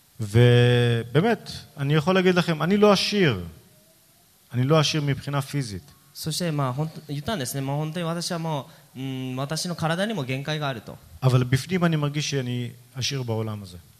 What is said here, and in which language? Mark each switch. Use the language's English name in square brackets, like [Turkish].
[Hebrew] ובאמת, אני יכול להגיד לכם, אני לא עשיר. אני לא עשיר מבחינה פיזית. [Japanese] そしてまあ本当言ったんですね。まあ本当に私はもう私の体にも限界があると。 [Hebrew] אבל בפנים אני מרגיש שאני עשיר בעולם הזה.